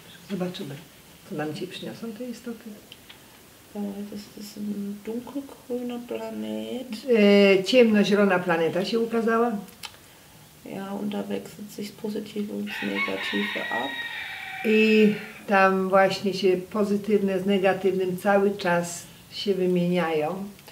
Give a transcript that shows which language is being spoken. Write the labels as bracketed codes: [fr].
[pl] Zobaczymy, co nam dzisiaj przyniosą te istoty. To jest [de] dunkelgrüner planet. [pl] Ciemnozielona planeta się ukazała. [de] Ja, und da wechselt sich das Positive und das Negative ab. [pl] I tam właśnie się pozytywne z negatywnym cały czas się wymieniają.